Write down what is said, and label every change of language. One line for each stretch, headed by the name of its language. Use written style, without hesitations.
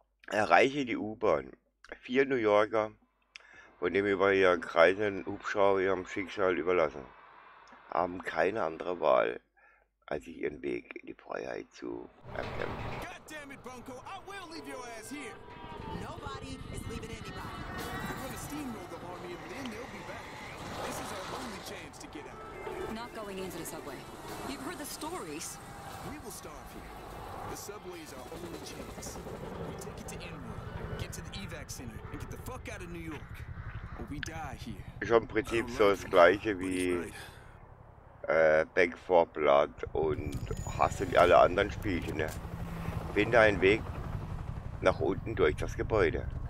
German: Erreiche die U-Bahn. Vier New Yorker, von dem über ihren kreisenden Hubschrauber ihrem Schicksal überlassen, haben keine andere Wahl, als sich ihren Weg in die Freiheit zu erkämpfen.
English: God damn it, Bunko, I will leave your ass here. Nobody is leaving anybody. We're gonna steamroll the army and then they'll be back. This is our only chance to get out. Not going into the subway. You've heard the stories. We will starve here. The subway is our only chance. We take it to Inwood, get to the evac center, and get the fuck out of New York. Or we die here.
German: Schon im Prinzip so das gleiche wie Back 4 Blood und hast du die alle anderen Spielchen, ne? Finde einen Weg nach unten durch das Gebäude.